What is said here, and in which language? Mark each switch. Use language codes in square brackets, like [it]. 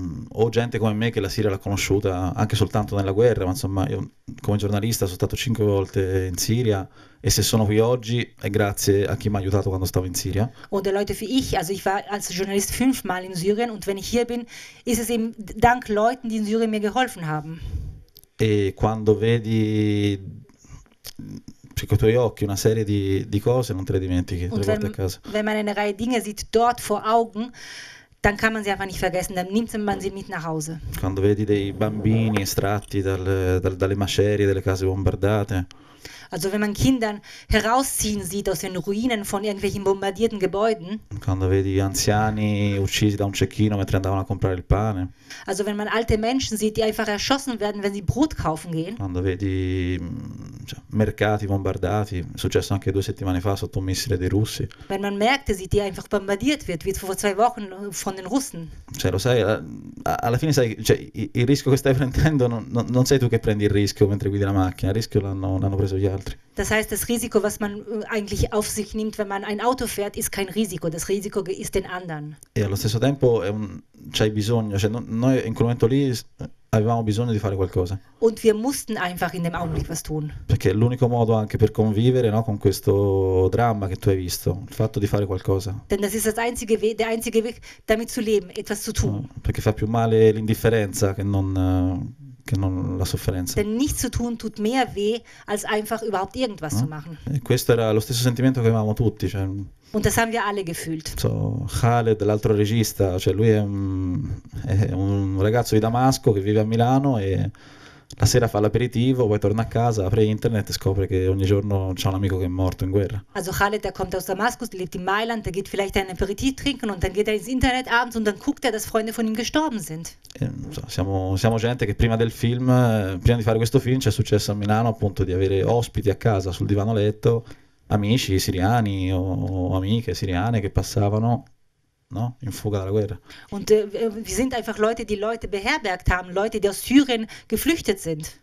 [it] O gente come me che la Siria l'ha conosciuta anche soltanto nella guerra, ma insomma io come giornalista sono stato 5 volte in Siria e se sono qui oggi è grazie a chi mi ha aiutato quando stavo in Siria. [de] Oder Leute wie ich, also ich war als Journalist 5 Mal in Syrien und wenn ich hier bin, ist es eben dank Leuten, die in Syrien mir geholfen haben. [it] E quando vedi con i tuoi occhi una serie di cose non te le dimentichi, te le porti a casa. [de] Wenn man eine Reihe Dinge sieht dort vor Augen, dann kann man sie einfach nicht vergessen, dann nimmt man sie mit nach Hause. [it] Quando vedi dei bambini estratti dalle macerie delle case bombardate. [de] Also wenn man Kindern herausziehen sieht aus den Ruinen von irgendwelchen bombardierten Gebäuden. [it] Quando vedi anziani uccisi da un cecchino mentre andavano a comprare il pane. [de] Also wenn man alte Menschen sieht, die einfach erschossen werden, wenn sie Brot kaufen gehen. [it] Quando vedi mercati bombardati, successo anche 2 settimane fa sotto un missile dei russi. [de] Wenn man Märkte sieht, die einfach bombardiert wird, wie vor 2 Wochen von den Russen. [it] Cioè lo sai, alla fine sai, cioè, il rischio che stai prendendo non sei tu che prendi il rischio mentre guidi la macchina, il rischio l'hanno preso gli altri. [de] Das heißt, das Risiko, was man eigentlich auf sich nimmt, wenn man ein Auto fährt, ist kein Risiko. Das Risiko ist den anderen. [it] E allo stesso tempo c'hai bisogno. Cioè, noi in quel momento lì avevamo bisogno di fare qualcosa. [de] Und wir mussten einfach in dem Augenblick was tun. [it] Perché è l'unico modo anche per convivere, no, con questo dramma che tu hai visto, il fatto di fare qualcosa. [de] Denn das ist das einzige Weg, der einzige Weg, damit zu leben, etwas zu tun. [it] Perché fa più male l'indifferenza che non che non la sofferenza. [de] Denn nichts zu tun tut mehr weh, als einfach überhaupt irgendwas zu machen. [it] E questo era lo stesso sentimento che avevamo tutti. Cioè, [de] und das haben wir alle gefühlt. [it] So, Khaled, l'altro regista, cioè lui è un ragazzo di Damasco che vive a Milano e la sera fa l'aperitivo, poi torna a casa, apre internet e scopre che ogni giorno c'è un amico che è morto in guerra. [de] Also Khaled, der kommt aus Damaskus, lebt in Mailand, der geht vielleicht ein Aperitif trinken und dann geht ins Internet abends und dann guckt dass Freunde von ihm gestorben sind. [it] Siamo gente che prima di fare questo film, c'è successo a Milano appunto di avere ospiti a casa sul divano letto, amici siriani o amiche siriane che passavano, no, in fuga dalla guerra. [de] Und wir sind einfach Leute, die Leute beherbergt haben, Leute, die aus Syrien geflüchtet sind.